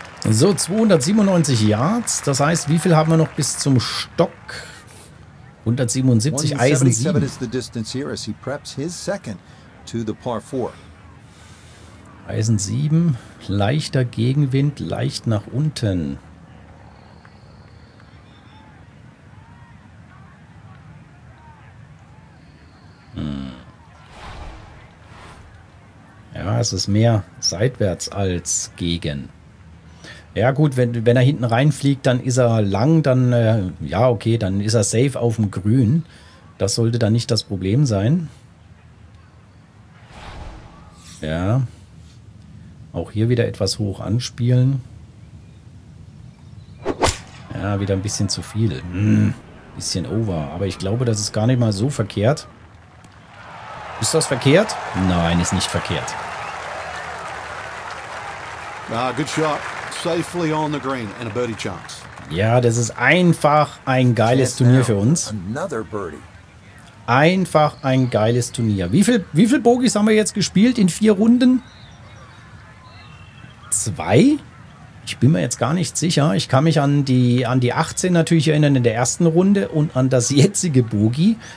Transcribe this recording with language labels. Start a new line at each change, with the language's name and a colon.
German: So, 297 Yards. Das heißt, wie viel haben wir noch bis zum Stock? 177, Eisen 7.
English: Is the distance here as he preps his second to the par 4.
German: Eisen 7, leichter Gegenwind, leicht nach unten. Ja, es ist mehr seitwärts als gegen. Ja gut, wenn er hinten reinfliegt, dann ist er lang, dann ja okay, dann ist er safe auf dem Grün. Das sollte dann nicht das Problem sein. Ja, auch hier wieder etwas hoch anspielen. Ja, wieder ein bisschen zu viel. Bisschen over, aber ich glaube, das ist gar nicht mal so verkehrt. Ist das verkehrt? Nein, ist nicht verkehrt.
English: Ah, good shot. Safely on the green and a birdie chance.
German: Ja, das ist einfach ein geiles Turnier für uns.
English: Another birdie.
German: Einfach ein geiles Turnier. Wie viel Bogies haben wir jetzt gespielt in 4 Runden? 2? Ich bin mir jetzt gar nicht sicher. Ich kann mich an die 18 natürlich erinnern in der ersten Runde und an das jetzige Bogie.